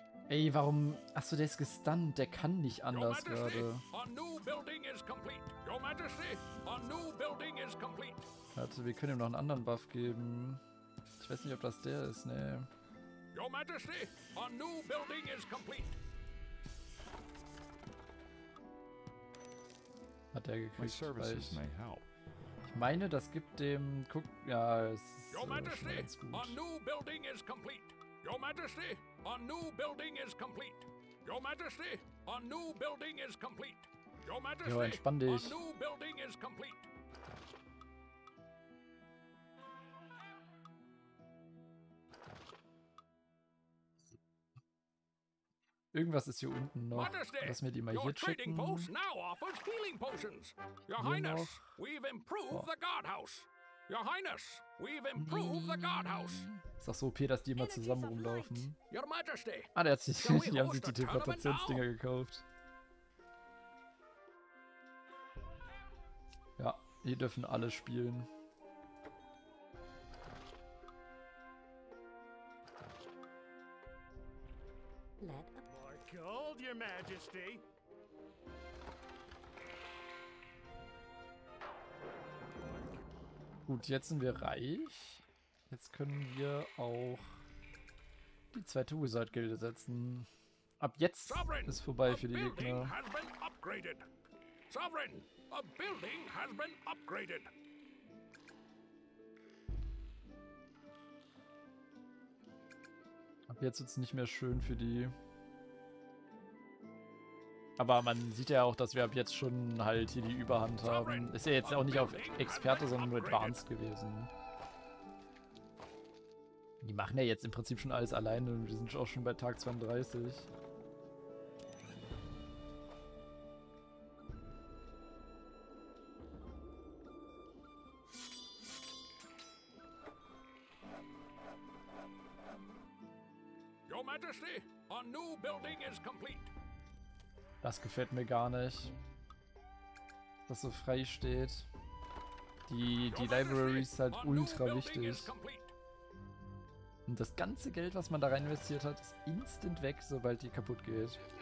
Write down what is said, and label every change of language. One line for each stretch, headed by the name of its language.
German: Ey, warum? Achso, der ist gestunt, der kann nicht anders gerade. Warte, wir können ihm noch einen anderen Buff geben. Ich weiß nicht, ob das der ist, ne.
English: Your Majesty, a new building is complete.
German: Hat der gekriegt, weil ich meine, das gibt dem. Guck, ja, es ist
English: Your Majesty, a new building is complete. Your Majesty, a new building is complete. Your Majesty,
German: jo, entspann dich.
English: A new building is complete.
German: Irgendwas ist hier unten noch. Lass mir die mal hier checken.
English: Post now offers healing potions. Your Highness, we've improved the guardhouse. Your Highness, we've improved the guardhouse.
German: Ist doch so OP, dass die immer zusammen rumlaufen.
English: Your Majesty.
German: Ah, der hat sich, die haben sich die Teleportationsdinger gekauft. Ja, hier dürfen alle spielen.
English: Gold, Your Majesty.
German: Gut, jetzt sind wir reich. Jetzt können wir auch die zweite Wizard-Gilde setzen. Ab jetzt
English: Sovereign,
German: ist vorbei für die Gegner.
English: Has been upgraded. Sovereign, a building has been upgraded.
German: Ab jetzt wird's nicht mehr schön für die. Aber man sieht ja auch, dass wir ab jetzt schon halt hier die Überhand haben. Ist ja jetzt auch nicht auf Experte, sondern nur Advanced gewesen. Die machen ja jetzt im Prinzip schon alles alleine und wir sind auch schon bei Tag 32.
English: Your Majesty, a new building is complete.
German: Das gefällt mir gar nicht, dass so frei steht. Die Library ist halt ultra wichtig. Und das ganze Geld, was man da rein investiert hat, ist instant weg, sobald die kaputt geht.